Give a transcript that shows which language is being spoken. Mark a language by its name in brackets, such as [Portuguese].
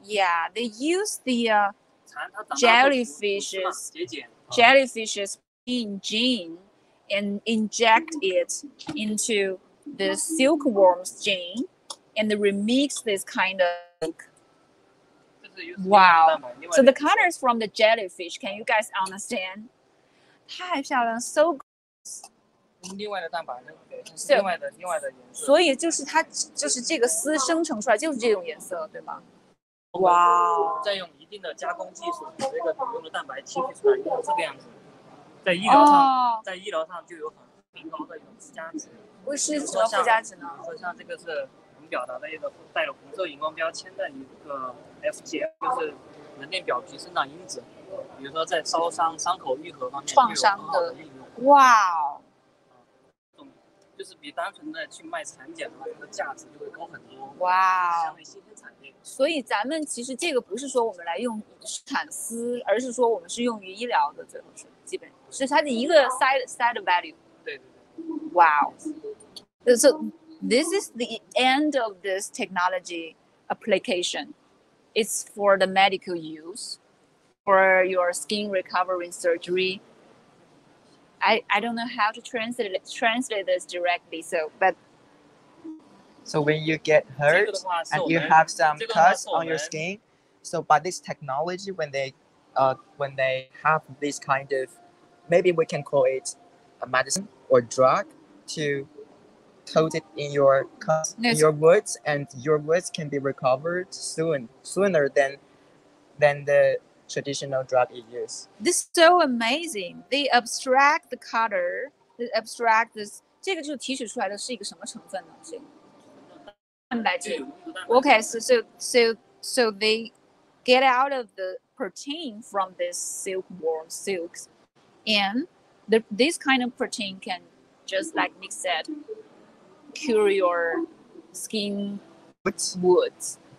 [English] Yeah, they use the jellyfish's gene and inject it into the silkworm's gene and remix this kind of. Wow. So the colors from the jellyfish, can you guys understand? [Chinese] 太漂亮 ， [English] so gorgeous. [Chinese] 另外的蛋白，那个另外的颜色，所以就是它就是这个丝生成出来就是这种颜色，对吧？哇！再用一定的加工技术，这个所用的蛋白提取出来就是这个样子，在医疗上，在医疗上就有很明高的一种附加值。为什么附加值呢？比如说像这个是我们表达的一个带了红色荧光标签的一个 FGF， 就是人类表皮生长因子。比如说在烧伤、伤口愈合方面，创伤的应用。哇！就是比单纯的去卖产检的话，它的价值就会高很多。哇！相对新兴产业，所以咱们其实这个不是说我们来用产丝，而是说我们是用于医疗的，最后是基本是它的一个 [English] side value。 [Chinese] 对对对。哇、wow. [English] ！So this is the end of this technology application. It's for the medical use, for your skin recovery surgery. I don't know how to translate this directly, so when you get hurt, [Chinese] 这个的话是我们, [English] and you have some cuts, [Chinese] 这个的话是我们, [English] on your skin, so by this technology, when they have this kind of, maybe we can call it a medicine or drug to coat it in your cuts, in your wounds, and your wounds can be recovered sooner than the... traditional drug you use. This is so amazing. They abstract the color, they abstract this. [Chinese] 这个就提取出来的是一个什么成分呢？这个蛋白质。 [English] Okay, so they get out of the protein from this silkworm silks, and this kind of protein can, just like Nick said, cure your skin wounds.